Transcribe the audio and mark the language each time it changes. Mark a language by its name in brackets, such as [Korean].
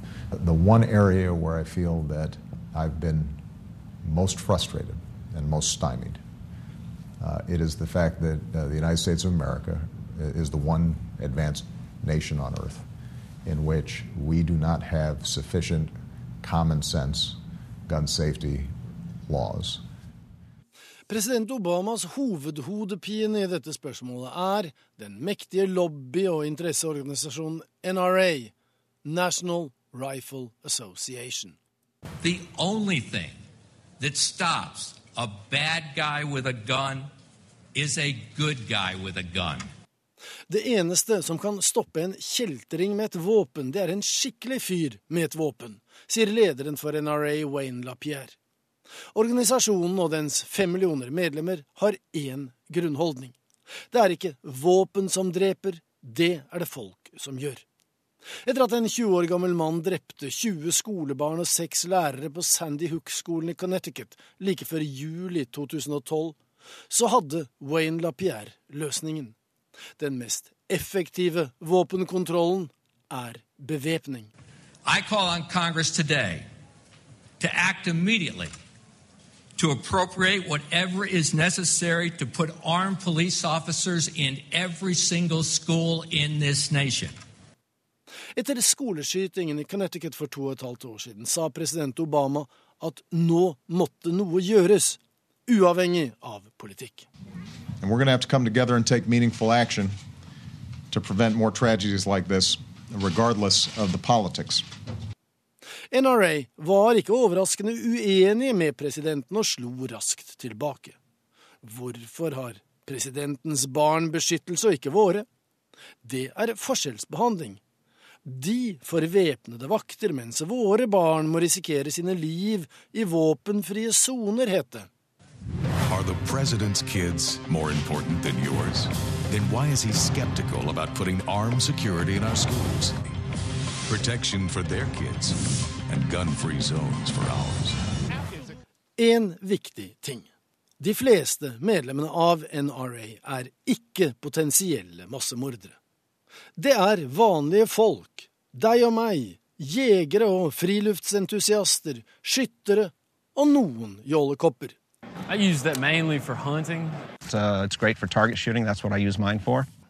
[English] The one area where I feel that I've been most frustrated and most stymied, it is the fact that the United States of America is the one advanced nation on earth in which we do not have sufficient common sense gun safety laws. [Norwegian] President Obamas hovedhodepine i dette spørsmålet er den mektige lobby- og interesseorganisasjonen NRA, National Rifle Association. [English] The only thing that stops a bad guy with a gun is a good guy with a gun. [Norwegian] Det eneste som kan stoppe en kjeltring med et våpen, det er en skikkelig fyr med et våpen, sier lederen for NRA, Wayne LaPierre. Organisasjonen og dens 5 millioner medlemmer har én grunnholdning. Det er ikke våpen som dreper, det er det folk som gjør. Etter at en 20 år gammel mann drepte 20 skolebarn og 6 lærere på Sandy Hook-skolen i Connecticut like før juli 2012, så hadde Wayne LaPierre løsningen. Den mest effektive våpenkontrollen er bevæpning. [English] I call on Congress today to act immediately to appropriate whatever is necessary to put armed police officers in every single school in this nation. [Norwegian] Etter skoleskytingen i Connecticut for 2,5 år siden sa president Obama at nå måtte noe gjøres, uavhengig av politikk. [English] And we're going to have to come together and take meaningful action to prevent more tragedies like this, regardless of the politics. [Norwegian] NRA var ikke overraskende uenige med presidenten og slo raskt tilbake. Hvorfor har presidentens barn beskyttelse og ikke våre? Det er forskjellsbehandling. De får væpnede vakter, mens våre barn må risikere sine liv i våpenfrie soner, heter det. [English] Are the president's kids more important than yours? Then why is he skeptical about putting armed security in our schools? Protection for their kids and gun-free zones for ours. [Norwegian] En viktig ting. De fleste medlemmene av NRA er ikke potensielle massemordere. Det er vanlige folk, deg og meg, jegere og friluftsentusiaster, skyttere og noen jollekopper. [English] I use that mainly for hunting. It's great for target shooting, that's what I use mine for.